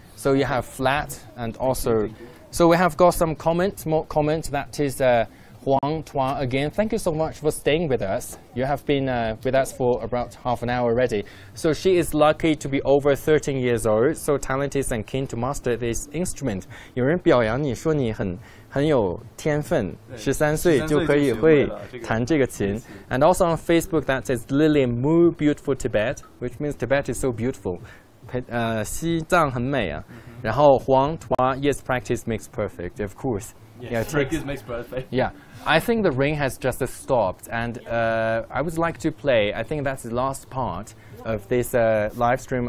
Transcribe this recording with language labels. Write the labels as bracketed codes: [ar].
[en] So you have flat and also... So we have got some comments, more comments. That is Huang Tua again. Thank you so much for staying with us. You have been with us for about half an hour already. So she is lucky to be over 13 years old, so talented and keen to master this instrument. [zh] 有人表扬你说你很有天分, 13岁就可以会弹这个琴. [en] And also on Facebook that says Lily Mu beautiful Tibet, which means Tibet is so beautiful. [zh] 西藏很美啊.然后 [en] Huang Tua, yes, practice makes perfect, of course. Yes, practice makes perfect. Yeah. I think the ring has just stopped, and I would like to play, I think that's the last part of this live stream.